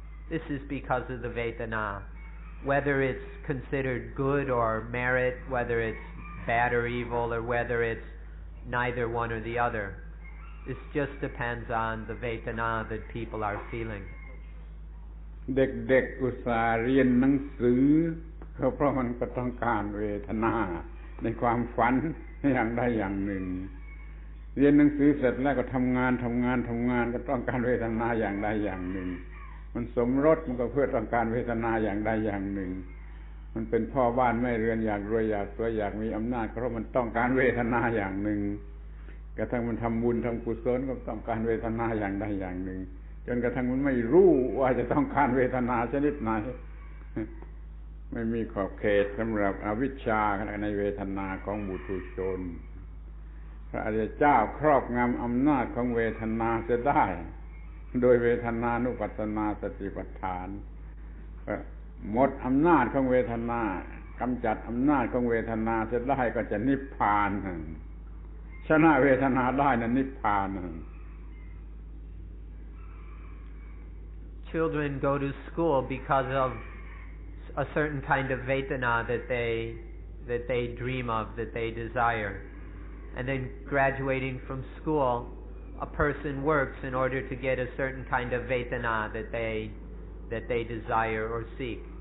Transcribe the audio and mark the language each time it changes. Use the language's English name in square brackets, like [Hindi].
[English] This is because of the Vedana. Whether it's considered good or merit, whether it's bad or evil, or whether it's neither one or the other, this just depends on the Vedana that people are feeling. [Thai] เด็กๆอุตส่าห์เรียนหนังสือก็เพราะมันก็ต้องการเวทนาในความฝันอย่างใดอย่างหนึ่งเรียนหนังสือเสร็จแล้วก็ทำงาน ก็ต้องการเวทนาอย่างใดอย่างหนึ่งมันสมรสมันก็เพื่อต้องการเวทนาอย่างใดอย่างหนึ่งมันเป็นพ่อบ้านแม่เรือนอยากรวยอยากสวยอยากมีอำนาจเพราะมันต้องการเวทนาอย่างหนึ่งกระทั่งมันทำบุญทำกุศลก็ต้องการเวทนาอย่างใดอย่างหนึ่งจนกระทั่งมันไม่รู้ว่าจะต้องการเวทนาชนิดไหน ไม่มีขอบเขตสำหรับอวิชชาในเวทนาของบุตรชนพระอริยเจ้าครอบงำอำนาจของเวทนาเสียได้โดยเวทนานุปัสสนาสติปัฏฐานหมดอำนาจของเวทนากำจัดอำนาจของเวทนาเสียได้ก็จะนิพพานชนะเวทนาได้นั่นนิพพาน [English] children go to school because of a certain kind of vedana that they dream of, that they desire. And then graduating from school, a person works in order to get a certain kind of vedana that they desire or seek.